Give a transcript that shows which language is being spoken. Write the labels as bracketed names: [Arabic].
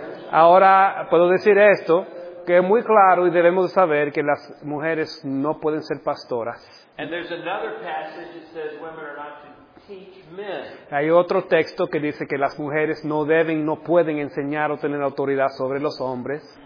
[Spanish] Ahora puedo decir esto, que es muy claro y debemos saber que las mujeres no pueden ser pastoras. [English] And there's another passage that says women are not to teach men. [Spanish] Hay otro texto que dice que las mujeres no deben, no pueden enseñar o tener autoridad sobre los hombres.